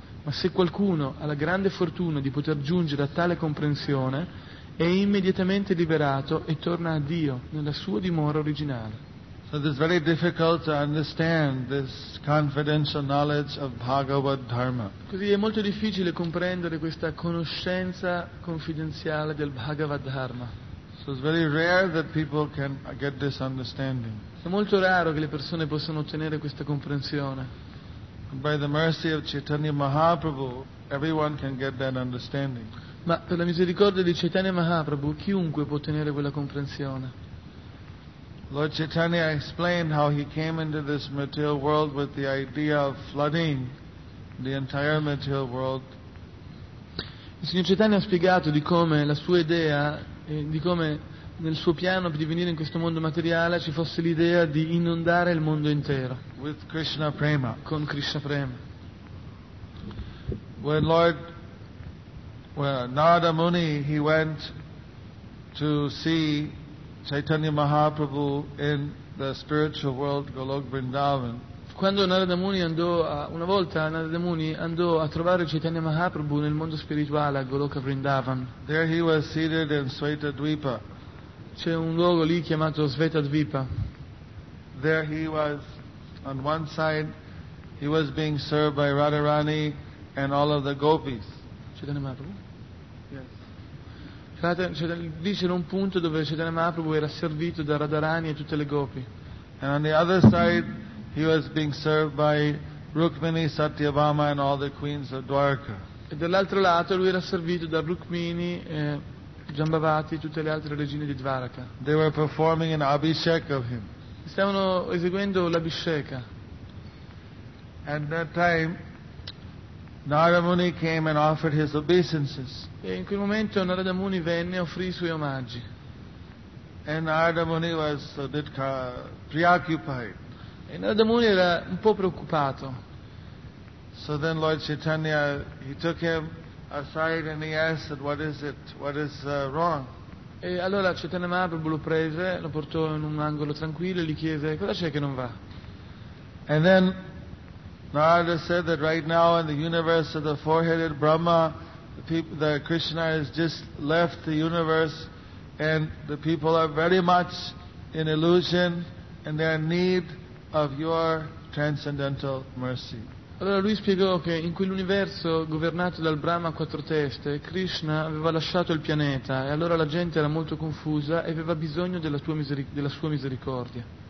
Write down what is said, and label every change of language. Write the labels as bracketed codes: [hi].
[it] Ma se qualcuno ha la grande fortuna di poter giungere a tale comprensione, è immediatamente liberato e torna a Dio nella sua dimora originale. [en] So it is very difficult to understand this confidential knowledge of Bhagavad Dharma. [it] Così è molto difficile comprendere questa conoscenza confidenziale del Bhagavad Dharma. [en] So it's very rare that people can get this understanding. [it] È molto raro che le persone possano ottenere questa comprensione. [en] By the mercy of Chaitanya Mahaprabhu, everyone can get that understanding. [it] Ma per la misericordia di Chaitanya Mahaprabhu, chiunque può ottenere quella comprensione. [en] Lord Chaitanya explained how he came into this material world with the idea of flooding the entire material world. [it] Il Signor Chaitanya ha spiegato di come la sua idea, di come nel suo piano di venire in questo mondo materiale ci fosse l'idea di inondare il mondo intero [en] with Krishna Prema. [it] Con Krishna Prema. [en] When Lord, well, Narada Muni, he went to see Chaitanya Mahaprabhu in the spiritual world, Golok Vrindavan. [it] Quando Narada Muni andò a, una volta Narada Muni andò a trovare Chaitanya Mahaprabhu nel mondo spirituale a Goloka Vrindavan. [en] There he was seated in Sveta Dvipa. [it] C'è un luogo lì chiamato Sveta Dvipa. [en] There he was on one side he was being served by Radharani and all of the gopis. [it] Chaitanya Mahaprabhu? [en] Yes. [it] Lì c'era un punto dove Chaitanya Mahaprabhu era servito da Radharani e tutte le gopi. [en] And on the other side he was being served by Rukmini, Satyabhama and all the queens of Dwarka. [it] E dall'altro lato lui era servito da Rukmini, Jambavati e tutte le altre regine di Dwarka. [en] They were performing an abhishek of him. [it] Stavano eseguendo l'abhisheka. [en] At that time Narada Muni came and offered his obeisances. [it] E in quel momento Narada Muni venne e offrì i suoi omaggi. [en] And Narada Muni was a bit preoccupied. [it] E Narada Muni era un po' preoccupato. [en] So then Lord Chaitanya, he took him aside and he asked, what is it? What is wrong? [it] E allora Chaitanya Mahaprabhu lo prese, lo portò in un angolo tranquillo e gli chiese, cosa c'è che non va? [en] And then Narada said that right now in the universe of the four-headed Brahma, the Krishna has just left the universe and the people are very much in illusion and they are in need of your transcendental mercy. [it] Allora lui spiegò che in quell'universo governato dal Brahma a quattro teste, Krishna aveva lasciato il pianeta e allora la gente era molto confusa e aveva bisogno della tua misericordia.